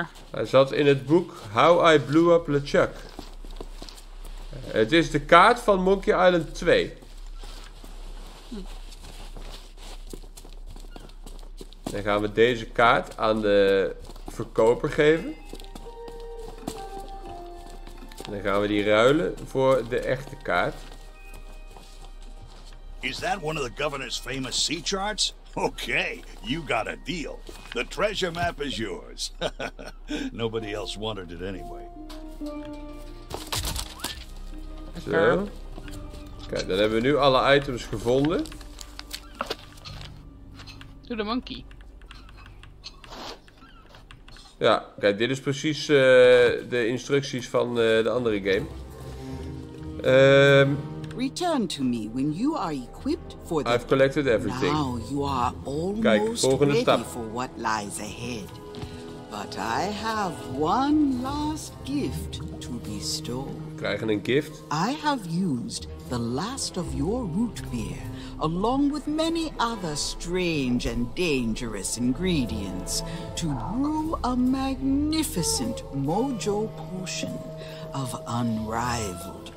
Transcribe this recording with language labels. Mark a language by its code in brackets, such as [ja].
[nl] Hij zat in het boek How I Blew Up LeChuck. Het is de kaart van Monkey Island 2. Dan gaan we deze kaart aan de verkoper geven. Dan gaan we die ruilen voor de echte kaart. [en] Is that one of the governor's famous sea charts? Okay, you got a deal. The treasure map is yours. Nobody else wanted it anyway. [nl] Zo. Kijk, dan hebben we nu alle items gevonden. [en] To the monkey. [nl] Ja, kijk, dit is precies de instructies van de andere game. [en] Return to me when you are equipped for the... I've collected everything. Now you are almost ready [nl] stap. [en] For what lies ahead. But I have one last gift to bestow. [nl] Krijgen een gift? [en] I have used the last of your root beer, along with many other strange and dangerous ingredients, to brew a magnificent mojo potion of unrivaled.